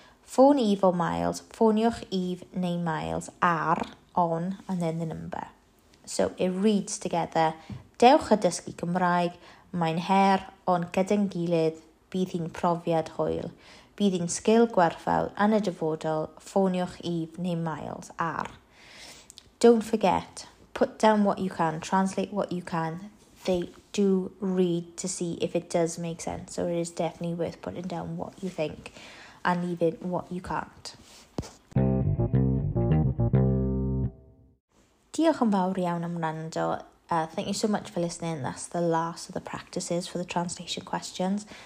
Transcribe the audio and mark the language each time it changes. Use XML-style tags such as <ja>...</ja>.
<cy>Ffôn Eve o Miles, ffôniwch Eve neu Miles ar, on,</cy> <en>and then the number. So it reads together,</en> <cy>dewch a dysgu Cymraeg, mae'n her, ond gyda'n gilydd, bydd hi'n profiad hwyl. Bydd hi'n sgil gwerthfawr yn y dyfodol, ffôniwch Eve neu Miles ar.</cy> <en>Don't forget, put down what you can, translate what you can. They do read to see if it does make sense. So it is definitely worth putting down what you think and leaving what you can't.</en> <cy>Diolch yn fawr iawn am wrando.</cy> <en>Thank you so much for listening. That's the last of the practices for the translation questions.</en>